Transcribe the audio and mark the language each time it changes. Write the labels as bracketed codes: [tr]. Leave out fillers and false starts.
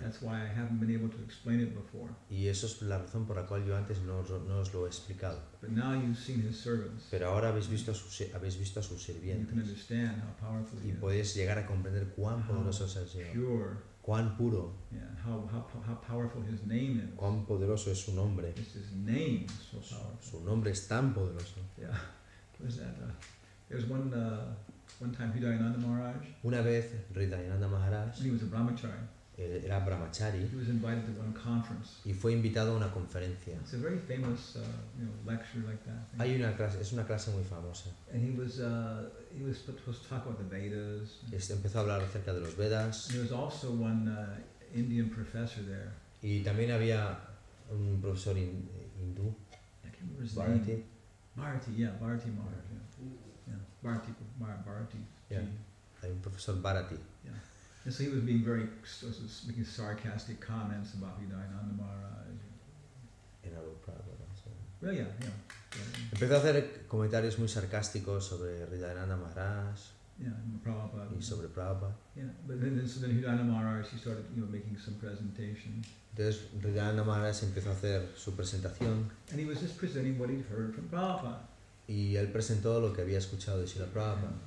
[en] That's why I haven't been able to explain it before. [es] Y eso es la razón por la cual yo antes no os lo he explicado. [en] But now you've seen his servants. [es] Pero ahora habéis visto a sus sirvientes. [en] You can understand how powerful he [es] is. Y podéis llegar a comprender cuán poderoso es el Señor. [en] Pure. [es] Cuán puro. [en] Yeah, how powerful his name is. [es] Cuán poderoso es su nombre. [en] It's his name so powerful. [es] Su nombre es tan poderoso. [en] Yeah. What is that? There's one one time Hridayananda Maharaj. [es] Una vez Hridayananda Maharaj. [en] He was a brahmachari. [es] Era brahmachari. [en] He was invited to one conference. [es] Y fue invitado a una conferencia. [en] It's a very famous lecture like that. [es] Hay una clase, es una clase muy famosa. [en] And he was supposed to talk about the Vedas. [es] Empezó a hablar acerca de los Vedas. [en] And there was also one Indian professor there. [es] Y también había un profesor hindú. [en] I can't remember his Bharati. Name. Bharati, yeah, Bharati Maharaj. Bharati, Bharati. Yeah, like Professor Bharati. Yeah, and so he was being very, making sarcastic comments about Hridayananda Maharaj. [es] En algo Prabhupada. [en] Well, yeah. [es] Empezó a hacer comentarios muy sarcásticos sobre Hridayananda Maharaj. [en] Yeah, Prabhupada. [es] Y sobre Prabhupada. [en] Yeah, but then Hridayananda Maharaj, he started, making some presentation. [es] Entonces Hridayananda Maharaj empezó a hacer su presentación. [en] And he was just presenting what he'd heard from Prabhupada. [es] Y él presentó lo que había escuchado de Srila Prabhupada.